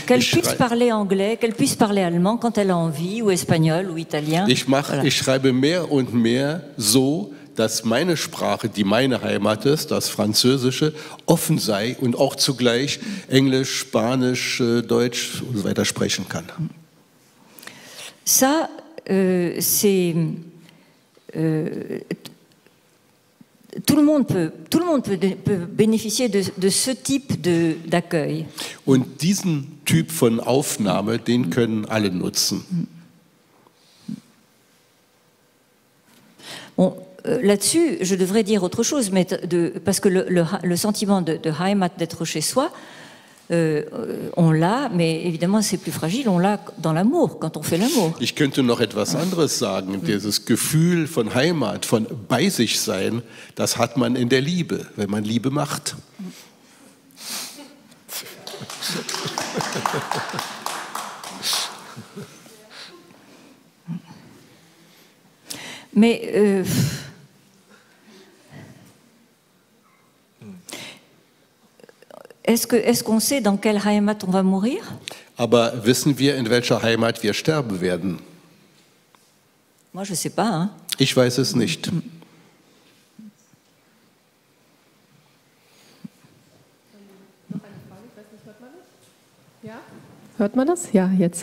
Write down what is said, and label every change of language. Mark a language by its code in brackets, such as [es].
[fr] Qu'elle puisse parler anglais, qu'elle puisse parler allemand quand elle a envie, ou espagnol, ou italien. [de] Ich schreibe mehr und mehr so, dass meine Sprache, die meine Heimat ist, das Französische, offen sei und auch zugleich Englisch, Spanisch, Deutsch und so weiter sprechen kann. [fr] Ça, c'est tout le monde peut bénéficier de ce type d'accueil. [de] Und diesen Typ von Aufnahme, den können alle nutzen. [fr] Bon, là-dessus, je devrais dire autre chose, mais parce que le sentiment de Heimat, d'être chez soi, on l'a, mais évidemment c'est plus fragile, on l'a dans l'amour, quand on fait l'amour. [de] Ich könnte noch etwas anderes sagen, dieses Gefühl von Heimat, von bei sich sein, das hat man in der Liebe, wenn man Liebe macht. [fr] Mais est-ce qu'on sait dans quelle Heimat on va mourir? [de] Aber wissen wir, in welcher Heimat wir sterben werden? [fr] Moi, je sais pas, hein? [de] Ich weiß es nicht. Hört man das? Ja, jetzt.